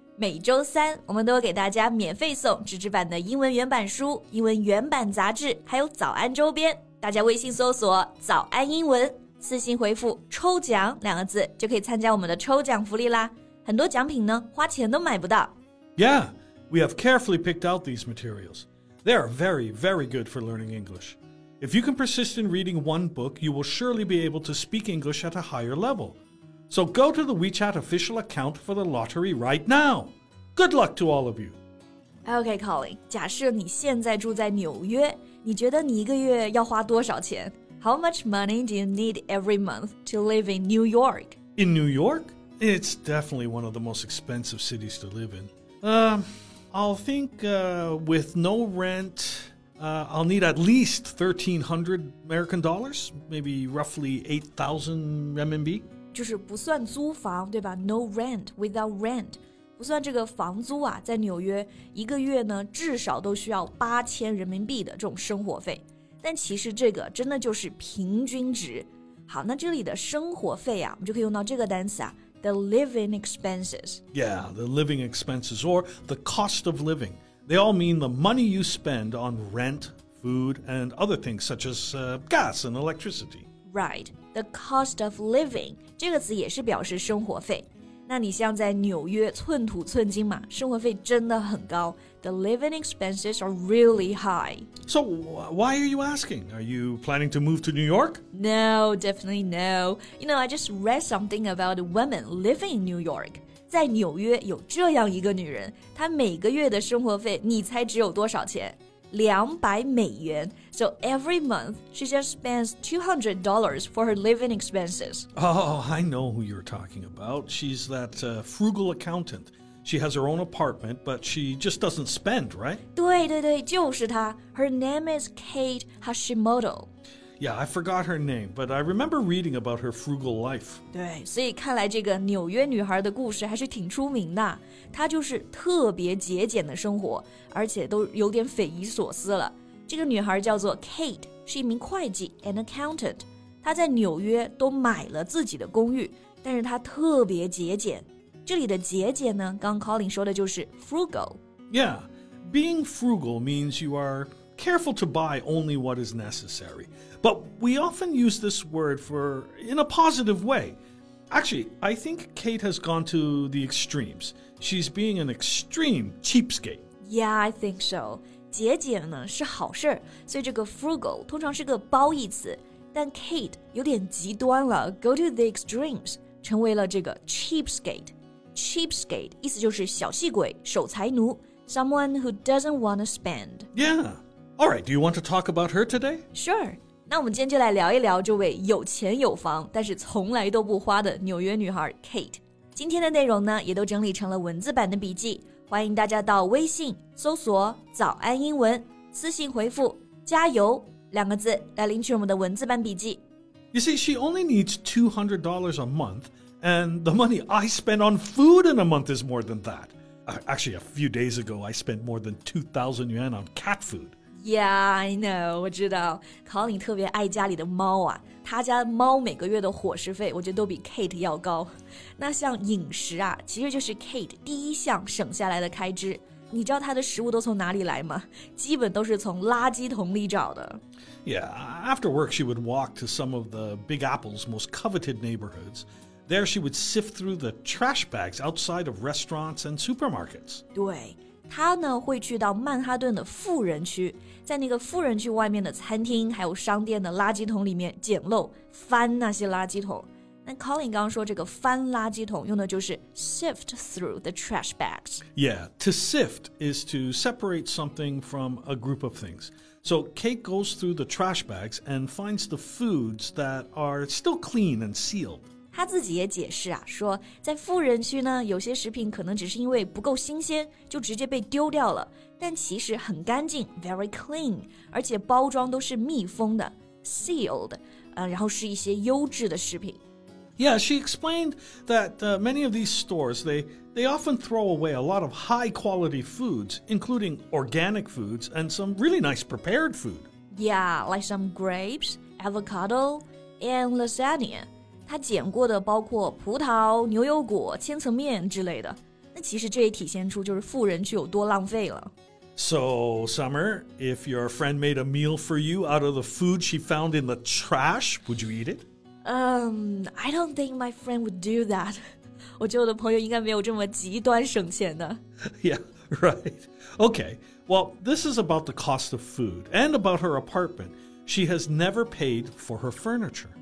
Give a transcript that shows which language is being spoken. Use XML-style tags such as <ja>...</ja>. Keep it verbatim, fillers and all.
<zh>每周三，我们都给大家免费送纸质版的英文原版书、英文原版杂志，还有早安周边。大家微信搜索“早安英文”，私信回复“抽奖”两个字，就可以参加我们的抽奖福利啦。很多奖品呢，花钱都买不到。</zh> <en>Yeah, we have carefully picked out these materials. They are very, very good for learning English. If you can persist in reading one book, you will surely be able to speak English at a higher level. So go to the WeChat official account for the lottery right now. Good luck to all of you.</en> <zh>Okay, Colin, 假设你现在住在纽约，你觉得你一个月要花多少钱？</zh> <en>How much money do you need every month to live in New York? In New York? It's definitely one of the most expensive cities to live in. Um, I'll think uh, with no rent, uh, I'll need at least thirteen hundred American dollars, maybe roughly eight thousand R M B.</en> <zh>就是不算租房，对吧？</zh> <en>No rent, without rent.</en> <zh>不算这个房租啊，在纽约一个月呢，至少都需要</zh> <en>eight thousand</en> <zh>人民币的这种生活费。但其实这个真的就是平均值。好，那这里的生活费啊，我们就可以用到这个单词啊。</zh> <en>The living expenses. Yeah, the living expenses or the cost of living. They all mean the money you spend on rent, food, and other things such as uh, gas and electricity. Right, the cost of living.</en> <zh>这个词也是表示生活费。那你像在纽约寸土寸金嘛，生活费真的很高。</zh> <en>The living expenses are really high. So why are you asking? Are you planning to move to New York? No, definitely no. You know, I just read something about a woman living in New York.</en> <zh>在纽约有这样一个女人，她每个月的生活费，你猜只有多少钱？</zh> <en>two hundred dollars. So every month, she just spends two hundred dollars for her living expenses. Oh, I know who you're talking about. She's that uh, frugal accountant. She has her own apartment, but she just doesn't spend, right?</en> <zh>对对对，就是她。</zh> <en>Her name is Kate Hashimoto. Yeah, I forgot her name, but I remember reading about her frugal life.</en> <zh>对，所以看来这个纽约女孩的故事还是挺出名的。她就是特别节俭的生活，而且都有点匪夷所思了。这个女孩叫做 Kate， 是一名会计</zh> <en>an accountant。</en> <zh>她在纽约都买了自己的公寓，但是她特别节俭。这里的节俭呢，刚 Colin 说的就是 frugal。</zh> <en>Yeah, being frugal means you are... careful to buy only what is necessary. But we often use this word for in a positive way. Actually, I think Kate has gone to the extremes. She's being an extreme cheapskate. Yeah, I think so.</en> <zh>节俭呢是好事，所以这个 frugal 通常是个褒义词。但 Kate 有点极端了 ，</zh> <en>go to the extremes</en> <zh>成为了这个 cheapskate. Cheapskate 意思就是小气鬼、守财奴 ，</zh> <en>someone who doesn't want to spend. Yeah. All right, do you want to talk about her today? Sure.</en> <zh>那我们今天就来聊一聊这位有钱有房，但是从来都不花的纽约女孩 Kate。今天的内容呢，也都整理成了文字版的笔记，欢迎大家到微信搜索“早安英文”，私信回复“加油”两个字来领取我们的文字版笔记。</zh> <en>You see, she only needs two hundred dollars a month, and the money I spend on food in a month is more than that. Actually, a few days ago, I spent more than two thousand yuan on cat food. Yeah, I know,</en> <zh>我知道 Colin 特别爱家里的猫啊，他家猫每个月的伙食费我觉得都比 Kate 要高。那像饮食啊，其实就是 Kate 第一项省下来的开支。你知道他的食物都从哪里来吗？基本都是从垃圾桶里找的。</zh> <en>Yeah, after work she would walk to some of the Big Apple's most coveted neighborhoods. There she would sift through the trash bags outside of restaurants and supermarkets.</en> <zh>对，她呢会去到曼哈顿的富人区，在那个富人区外面的餐厅还有商店的垃圾桶里面捡漏，翻那些垃圾桶。那 Colin 刚刚说这个翻垃圾桶用的就是 sift through the trash bags.</zh> <en>Yeah, to sift is to separate something from a group of things. So Kate goes through the trash bags and finds the foods that are still clean and sealed.</en> <zh>他自己也解释啊，说在富人区呢，有些食品可能只是因为不够新鲜，就直接被丢掉了。但其实很干净 ，</zh> <en>very clean，</en> <zh>而且包装都是密封的 ，sealed， 呃，然后是一些优质的食品。</zh> <en>Yeah, she explained that uh, many of these stores, they, they often throw away a lot of high-quality foods, including organic foods and some really nice prepared food. Yeah, like some grapes, avocado, and lasagna.</en> <zh>她捡过的包括葡萄、牛油果、千层面之类的。那其实这也体现出就是富人区有多浪费了。</zh> <en>So, Summer, if your friend made a meal for you out of the food she found in the trash, would you eat it? Um, I don't think my friend would do that.</en> <zh>我觉得我的朋友应该没有这么极端省钱的。</zh> <en>Yeah, right. Okay, well, this is about the cost of food and about her apartment. She has never paid for her furniture.</en>